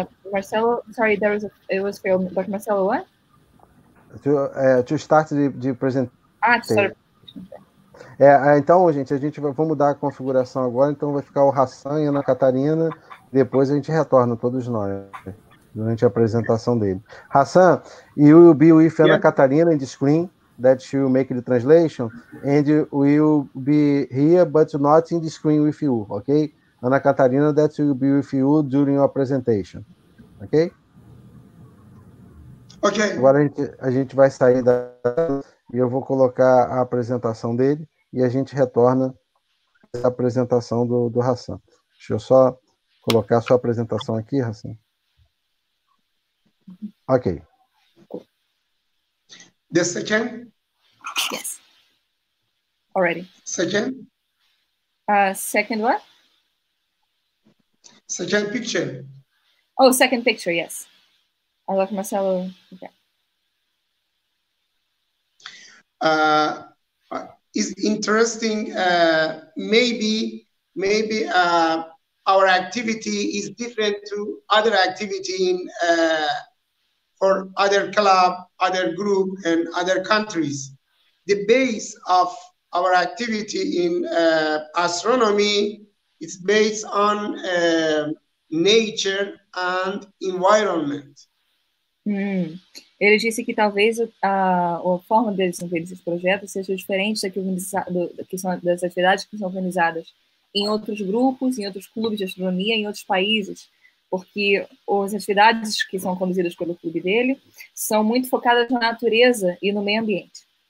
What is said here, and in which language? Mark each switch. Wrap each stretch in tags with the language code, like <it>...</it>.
<en>Marcelo, sorry, it was failed. But Marcelo, what? To start the presentation. Ah, sorry.</en> <pt>Então, gente, vamos mudar a configuração agora, então vai ficar o Hassan e a Ana Catarina. Depois a gente retorna, todos nós, durante a apresentação dele.</pt> <en>Hassan, you will be with Ana Catarina in the screen, that she will make the translation, and we will be here, but not in the screen with you, ok? Ana Catarina, that will be with you during your presentation, ok? Ok.</en> <pt>Agora a gente vai sair da e eu vou colocar a apresentação dele, e a gente retorna a apresentação do Hassan. Deixa eu só... colocar sua apresentação aqui, Hassan. Ok.</pt> <en>The second? Yes. Already. Second? Second what? Second picture. Oh, second picture, yes. I love Marcelo. Okay. Is interesting. Our activity is different to other activity in for other club, other group, and other countries. The base of our activity in astronomy is based on nature and environment.</en> <pt>Ele disse que talvez a forma deles fazer esses projetos seja diferente das atividades que são organizadas em outros grupos, em outros clubes de astronomia, em outros países, porque as atividades que são conduzidas pelo clube dele são muito focadas na natureza e no meio ambiente.</pt>